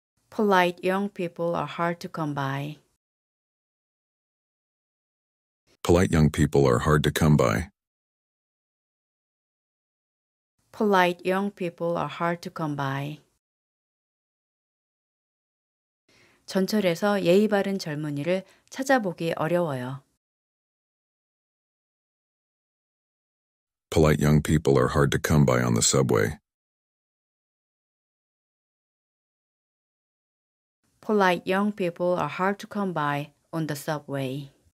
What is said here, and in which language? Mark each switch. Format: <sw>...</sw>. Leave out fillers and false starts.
<en>Polite young people are hard to come by. Polite young people are hard to come by. Polite young people are hard to come by.</en> <ko>전철에서 예의 바른 젊은이를 찾아보기 어려워요.</ko> <en>Polite young people are hard to come by on the subway. Polite young people are hard to come by on the subway.</en>